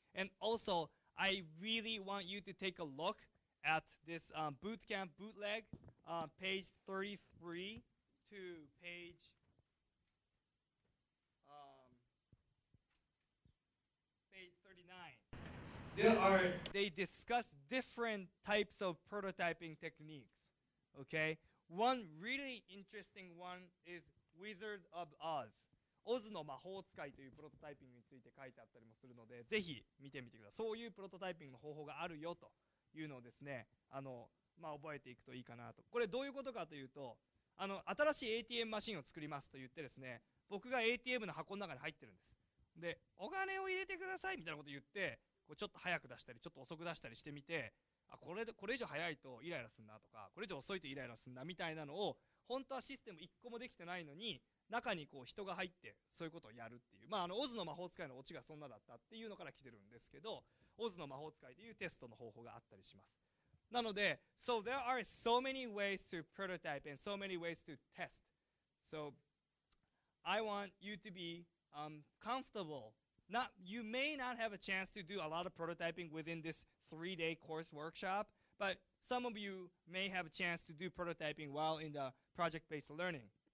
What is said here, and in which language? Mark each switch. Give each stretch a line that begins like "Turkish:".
English: And also, I really want you to take a look at this bootcamp bootleg, page 33 to page 39. They discuss different types of prototyping techniques. Okay, one really interesting one is Wizard of Oz.
Japanese: Oz の魔法使いというプロトタイピングについて書いてあったりもするので、ぜひ見てみてください。そういうプロトタイピングの方法があるよというのをですね、覚えていくといいかなと。これどういうことかというと、新しい ATM マシンを作りますと言ってですね、僕が ATM の箱の中に入ってるんです。で、お金を入れてくださいみたいなこと言って、こうちょっと早く出したり、ちょっと遅く出したりしてみて、あ、これ以上早いとイライラすんなとか、これ以上遅いとイライラすんなみたいなのを、本当はシステム1個もできてないのに、中にこう人が入ってそういうことをやるっていう、オズの魔法使いのオチがそんなだったっていうのから来てるんですけど、オズの魔法使いというテストの方法があったりします。なので、
English: So there are so many ways to prototype and so many ways to test. So, I want you to be... comfortable. Not, you may not have a chance to do a lot of prototyping within this 3-day course workshop, but some of you may have a chance to do prototyping while in the project-based learning.